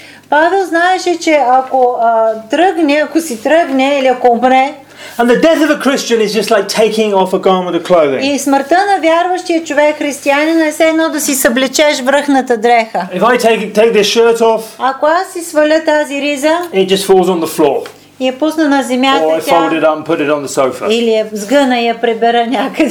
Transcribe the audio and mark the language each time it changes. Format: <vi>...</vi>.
<bg>Павел знаеше, че ако тръгне, ако си тръгне или ако умре.</bg> <en>And the death of a Christian is just like taking off a garment of clothing.</en> <bg>И смъртта на вярващия човек християнин е все едно да си съблечеш връхната дреха.</bg> <en>If I take this shirt off.</en> <bg>Ако аз си сваля тази риза.</bg> <en>It just falls on the floor.</en> <bg>И я пусна на земята.</bg> <en>Or I fold it up and put it on the sofa.</en> <bg>Или я сгъна и я прибера някъде.</bg>